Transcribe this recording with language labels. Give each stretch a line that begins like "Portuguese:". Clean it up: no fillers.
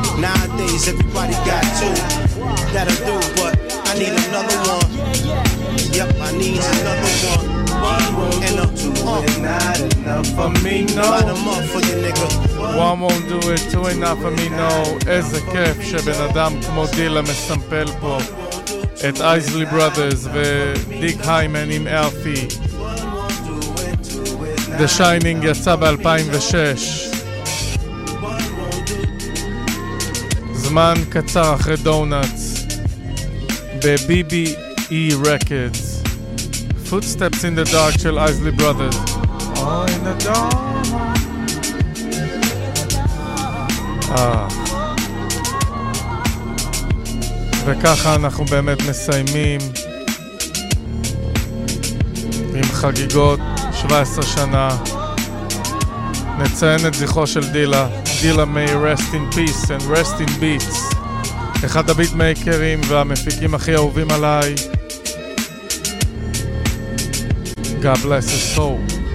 English: Nowadays, everybody got two. That'll do, but I need another one. Yep, I need another one. One won't do it, two is not enough for me, no. Light them up for you, nigga. One won't do it, two ain't enough for me, no.
Hebrew: איזה כיף שבן אדם כמו דילה מסמפל פה את אייזלי ברודרס ודיק היימן עם אלפי. The Shining יצא ב-2006, זמן קצר אחרי דונאטס, ב-BBE Records. Footsteps in the Dark של Isley Brothers.
English: In the dark.
Hebrew: וככה אנחנו באמת מסיימים עם חגיגות 17 שנה. נציין את זכרו של דילה.
English: דילה may rest in peace and rest in beats.
Hebrew: אחד הביטמייקרים והמפיקים הכי אהובים עליי.
English: God bless his soul.